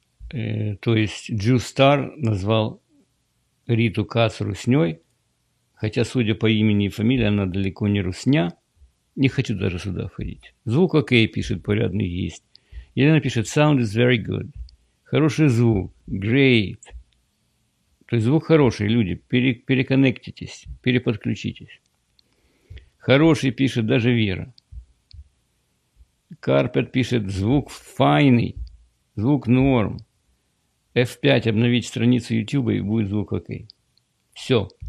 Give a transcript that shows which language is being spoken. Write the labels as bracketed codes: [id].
[ru] То есть Джу Стар назвал Риту Кац Русней, хотя, судя по имени и фамилии, она далеко не Русня. Не хочу даже сюда входить. Звук окей, пишет, порядный есть. Елена пишет, [en] sound is very good. [ru] Хороший звук. Great. То есть звук хороший, люди. Переконнектитесь, переподключитесь. Хороший, пишет даже Вера. Карпет пишет, звук файный. Звук норм. F5, обновить страницу YouTube, и будет звук окей. Все.